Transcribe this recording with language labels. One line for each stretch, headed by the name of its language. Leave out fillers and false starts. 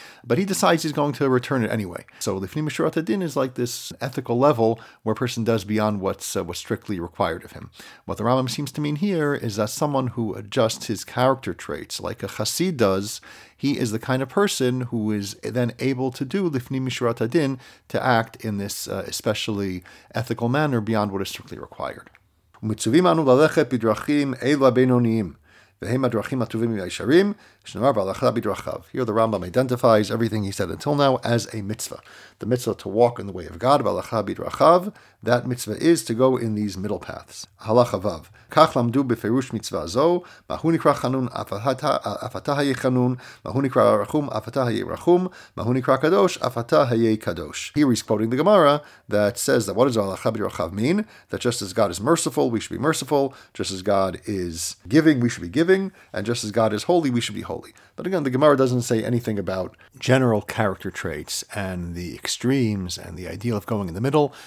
English: But he decides he's going to return it anyway. So Lifni Meshurat HaDin is like this ethical level where a person does beyond what's strictly required of him. What the Rambam seems to mean here is that someone who adjusts his character traits, like a chassid does, he is the kind of person who is then able to do Lifni Meshurat HaDin, to act in this especially ethical manner beyond what is strictly required.
Hebrew: ומצווים אנו ללכת בדרכים אלו הבינוניים, והם הדרכים הטובים והישרים, שנאמר בהלכה בדרכיו.
English: Here the Rambam identifies everything he said until now as a mitzvah. The mitzvah to walk in the way of God, בהלכה בדרכיו, that mitzvah is to go in these middle paths.
Hebrew: הלכה וו, כך למדו בפירוש מצווה זו, מהו נקרא חנון אף אתה היה חנון, מהו נקרא רחום אף אתה היה רחום, מהו נקרא קדוש אף אתה היה קדוש.
English: Here he's quoting the Gemara that says that what does הלכה בדרכיו mean? That just as God is merciful, we should be merciful, just as God is giving, we should be giving, and just as God is holy, we should be holy. But again, the Gemara doesn't say anything about general character traits and the extremes and the ideal of going in the middle.